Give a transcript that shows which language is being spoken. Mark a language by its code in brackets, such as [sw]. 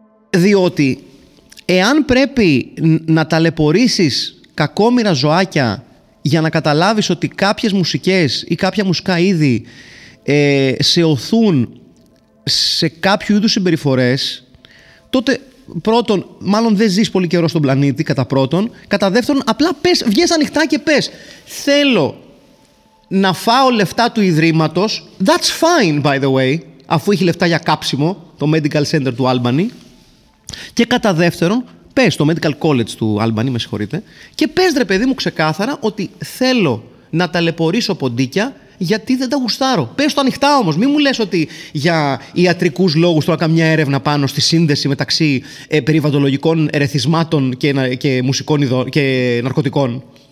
[el] Διότι, εάν πρέπει να ταλαιπωρήσεις κακόμοιρα ζωάκια για να καταλάβεις ότι κάποιες μουσικές ή κάποια μουσικά είδη σε οθούν σε κάποιο είδους συμπεριφορές, τότε πρώτον, μάλλον δεν ζεις πολύ καιρό στον πλανήτη, κατά πρώτον. Κατά δεύτερον, απλά πες, βγες ανοιχτά και πες, θέλω να φάω λεφτά του ιδρύματος. [en] That's fine, by the way, [el] αφού έχει λεφτά για κάψιμο, το Medical Center του Albany. Και κατά δεύτερον, πες το Medical College του Albany, με συγχωρείτε, και πες, ρε παιδί μου, ξεκάθαρα ότι θέλω να ταλαιπωρήσω ποντίκια γιατί δεν τα γουστάρω. Πες το ανοιχτά όμως. Μην μου λες ότι για ιατρικούς λόγους τώρα κάνω μια έρευνα πάνω στη σύνδεση μεταξύ περιβαλλοντολογικών ερεθισμάτων και μουσικών ειδών και ναρκωτικών.